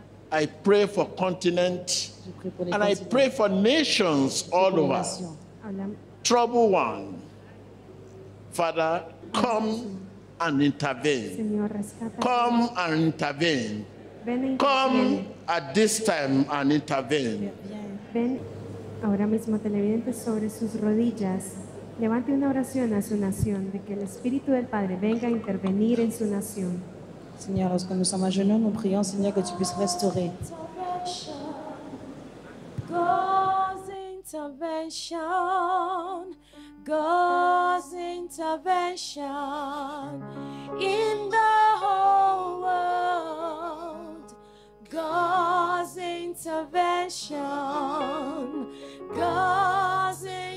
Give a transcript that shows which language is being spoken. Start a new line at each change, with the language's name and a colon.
English: I pray for continent. And I pray for nations all over. Troubled one, Father, come and intervene. Come and intervene. Come at this time and intervene.
Spanish: Ven ahora mismo, televidente, sobre sus rodillas. Levante una oración a su nación de que el Espíritu del Padre venga a intervenir en su nación.
French: Seigneur, lorsque nous sommes à genoux, nous prions, Seigneur, que tu puisses restaurer.
English: God's intervention, God's intervention in the whole world. God's intervention, God's intervention.